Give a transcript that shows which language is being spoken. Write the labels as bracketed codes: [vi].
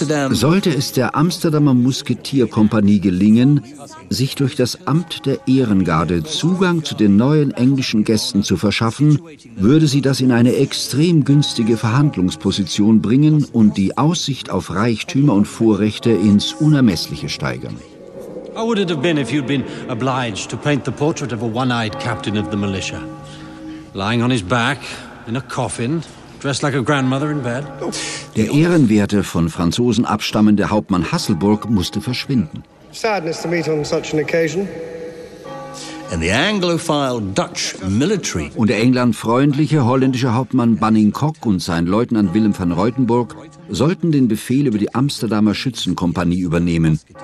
[de] Sollte es der Amsterdamer Musketierkompanie gelingen, sich durch das Amt der Ehrengarde Zugang zu den neuen englischen Gästen zu verschaffen, würde sie das in eine extrem günstige Verhandlungsposition bringen und die Aussicht auf Reichtümer und Vorrechte ins Unermessliche steigern. [en] How would it have been if you'd been obliged to paint the portrait of a one-eyed captain of the militia? Lying on his back, in a coffin, dressed like a grandmother in bed? [de] Der ehrenwerte, von Franzosen abstammende Hauptmann Hasselburg musste verschwinden. [en] Sadness to meet on such an occasion. And the Anglophile Dutch military. [de] Und der englandfreundliche holländische Hauptmann Banningcock und sein Leutnant Willem van Reutenburg sollten den Befehl über die Amsterdamer Schützenkompanie übernehmen.